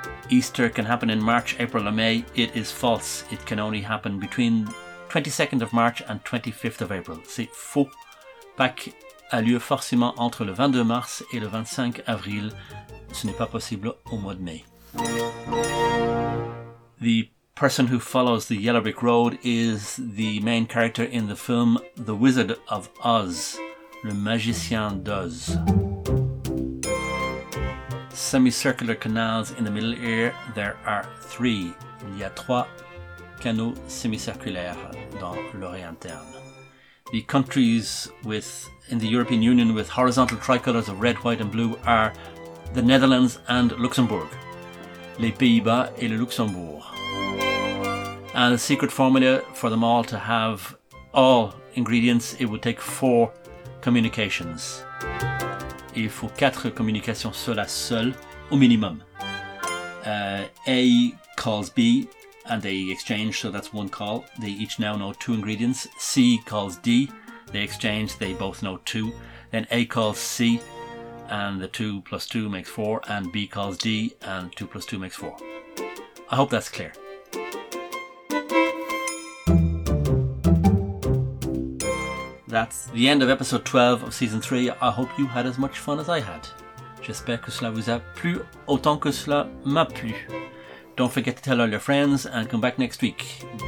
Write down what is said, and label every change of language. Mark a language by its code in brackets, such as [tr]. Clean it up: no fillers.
[en] Easter can happen in March, April or May. It is false. It can only happen between 22nd of March and 25th of April. [fr] C'est faux. Pâques a lieu forcément entre le 22 mars et le 25 avril. Ce n'est pas possible au mois de mai. [en] The person who follows the Yellow Brick Road is the main character in the film The Wizard of Oz, Le Magicien d'Oz. Semicircular canals in the middle ear, there are three. [fr] Il y a trois canaux semi-circulaires dans l'oreille interne. [en] The countries with in the European Union with horizontal tricolours of red, white and blue are the Netherlands and Luxembourg. [fr] Les Pays-Bas et le Luxembourg. [en] And the secret formula for them all to have all ingredients, it would take four communications. [fr] Il faut quatre communications sola seul, au minimum. [en] A calls B and they exchange, so that's one call. They each now know two ingredients. C calls D, they exchange, they both know two. Then A calls C and the 2 plus 2 makes 4, and B calls D, and 2 plus 2 makes 4. I hope that's clear. That's the end of episode 12 of season 3. I hope you had as much fun as I had. [fr] J'espère que cela vous a plu autant que cela m'a plu. [en] Don't forget to tell all your friends and come back next week.